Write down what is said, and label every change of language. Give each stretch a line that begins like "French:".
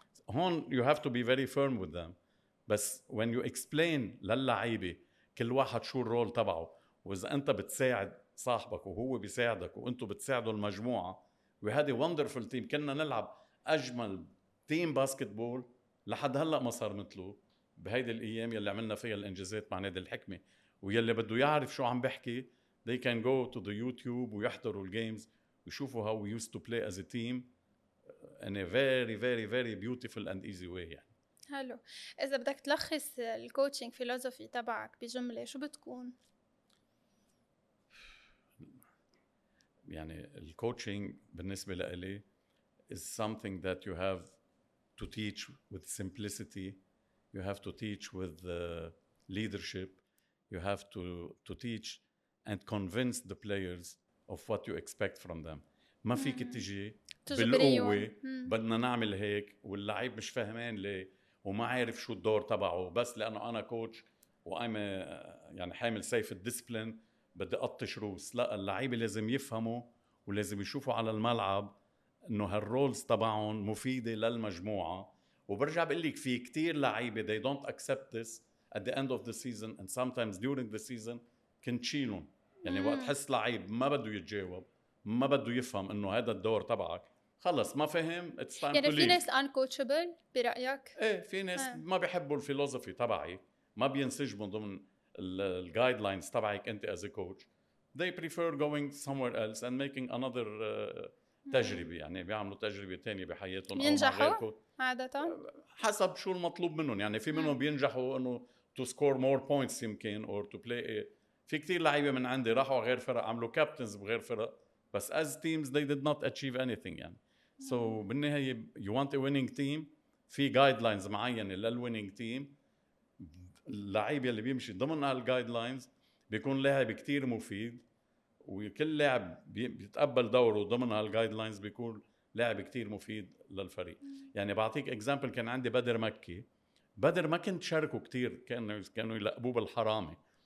English: when you have to be very firm with them,
Arabic: بس
English: when you explain
Arabic: للعيبه كل واحد شو الرول تبعه، واذا انت بتساعد صاحبك وهو بيساعدك وانتم بتساعدوا المجموعه
English: we had a wonderful team,
Arabic: كنا نلعب اجمل تيم باسكتبول لحد هلا ما صار مثله. بهيدي الايام يلي عملنا فيها الانجازات مع نادي الحكمه، ويلي بده يعرف شو عم بحكي
English: they can go to the YouTube
Arabic: ويحضروا الجيمز ويشوفوا
English: how we used to play as a team in a very very very beautiful and easy way.
Arabic: يعني حلو، اذا بدك تلخص الكوتشنج فيلوسوفي تبعك بجمله شو بتكون؟ يعني الكوتشنج بالنسبه لإلي
English: is something that you have to teach with simplicity, you have to teach with leadership, you have to teach and convince the players of what you expect from them.
Arabic: ما فيك تجي بالقوة بدنا نعمل هيك واللعيب مش فاهمين ليه وما عارف شو الدور تبعه، بس لأنه أنا كوتش وأنا يعني حامل سيف الديسبلين بدي أطش روس. لا، اللعيب لازم يفهمه ولازم يشوفه على الملعب إنه هالرولز تبعهم مفيدة للمجموعة. وبرجع بقلك في كتير لعيبة
English: they don't accept this at the end of the season and sometimes during the season
Arabic: كنت شيلهم. يعني وقت حس لعيب ما بده يتجاوب، ما بده يفهم انه هذا الدور تبعك، خلص ما فهم. يعني في ناس uncoachable برأيك؟ ايه، في ناس ما بيحبوا الفيلوزوفي تبعي، ما بينسجموا ضمن الguidelines تبعك انت
English: as a coach. They prefer going somewhere else and making another تجربة.
Arabic: يعني بيعملوا تجربة تانية بحياتهم. بينجحوا؟ عادة؟ حسب شو المطلوب منهم. يعني في منهم بينجحوا انه
English: to score more points يمكن or to play a.
Arabic: في كتير لعيبة من عندي راحوا غير فرق عملوا كابتنز بغير فرق، بس
English: as teams they did not achieve anything. يعني so بالنهاية you want a winning team، في guidelines معينة للwinning team.
Arabic: اللعيبة اللي بيمشي ضمن هالguidelines بيكون لاعب كتير مفيد، وكل لاعب بيتقبل دوره ضمن هالguidelines بيكون لاعب كتير مفيد للفريق. يعني بعطيك example، كان عندي بدر مكي. بدر ما كنت شاركه كتير، كانوا يلقبوه بالحرامي.